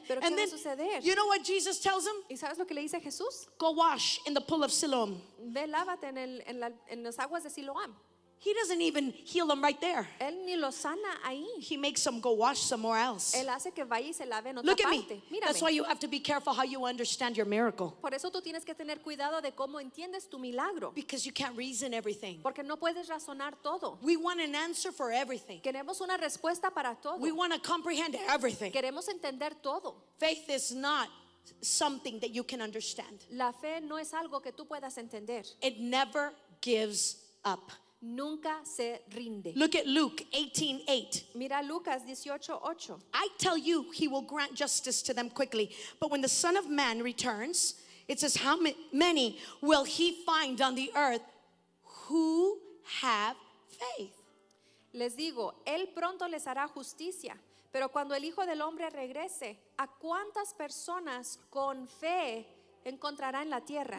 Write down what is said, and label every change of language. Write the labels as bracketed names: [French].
[Spanish] ¿Pero qué [English] and then, [Spanish] va a suceder? [English] You know what Jesus tells him? [Spanish] ¿Y sabes lo que le dice Jesús? [English] Go wash in the pool of Siloam. [Spanish] Ve, lávate en las aguas de Siloam. [English] He doesn't even heal them right there. [Spanish] Él ni lo sana ahí. [English] He makes them go wash somewhere else. [Spanish] Él hace que vaya y se lave en otra [English] Look at [Spanish] parte. [English] Me. [Spanish] Mírame. [English] That's why you have to be careful how you understand your miracle. [Spanish] Por eso tú tienes que tener cuidado de cómo entiendes tu milagro. [English] Because you can't reason everything. [Spanish] Porque no puedes razonar todo. [English] We want an answer for everything. [Spanish] Queremos una respuesta para todo. [English] We want to comprehend everything. [Spanish] Queremos entender todo. [English] Faith is not something that you can understand. [Spanish] La fe no es algo que tú puedas entender. [English] It never gives up. [Spanish] Nunca se rinde. [English] Look at Luke 18:8. [Spanish] Mira Lucas 18:8. [English] I tell you, he will grant justice to them quickly. But when the Son of Man returns, it says, how many will he find on the earth who have faith? [Spanish] Les digo, él pronto les hará justicia. Pero cuando el Hijo del Hombre regrese, ¿a cuántas personas con fe encontrará en la tierra?